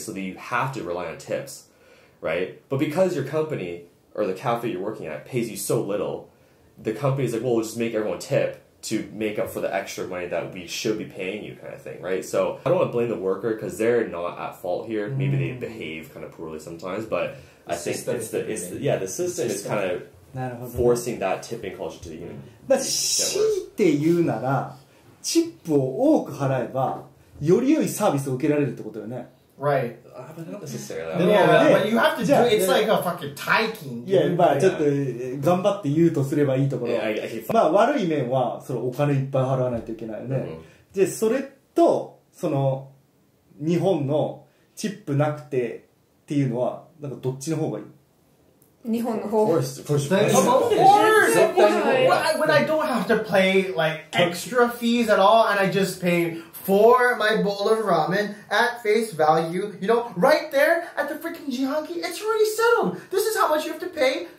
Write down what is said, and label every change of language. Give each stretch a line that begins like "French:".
English: So you have to rely on tips, right? But because your company or the cafe you're working at pays you so little, the company's like, well, we'll just make everyone tip to make up for the extra money that we should be paying you, kind of thing, right? So I don't want to blame the worker because they're not at fault here. Mm. Maybe they behave kind of poorly sometimes, but I think the system is kind of forcing that tipping culture to the union.
Japanese: But しいて言うなら、チップを多く払えば、より良いサービスを受けられるってことよね。
English: Right. But not necessarily. Yeah, but you have to do it. It's like a fucking tyking. Yeah, but
Japanese: ちょっと頑張って言うとすればいいところ。まあ悪い面は、そのお金いっぱい払わないといけないよね。で、それと、その、日本のチップなくてっていうのは、なんかどっちの方がいい？日本の方が。
English: When I don't have to pay like extra fees at all and I just pay for my bowl of ramen at face value, you know, right there at the freaking Jihanki, it's already settled. This is how much you have to pay.